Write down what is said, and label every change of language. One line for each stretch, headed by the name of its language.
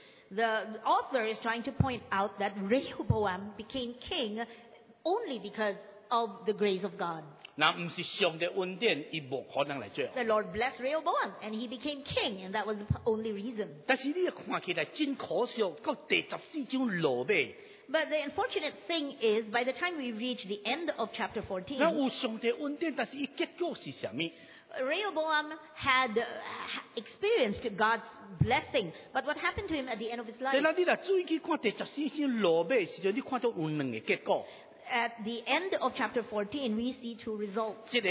English: The author is trying to point out that Rehoboam became king only because of the grace of God. The Lord blessed Rehoboam, and he became king, and that was the only reason.
Min Nan Chinese: 但是你看起来真可惜，到第十四章落尾。
English: But the unfortunate thing is, by the time we reach the end of chapter 14,
Min Nan Chinese: 那有上帝恩典，但是伊结果是啥咪？
English: Rehoboam had experienced God's blessing, but what happened to him at the end of his life? At the end of chapter 14, we see two results.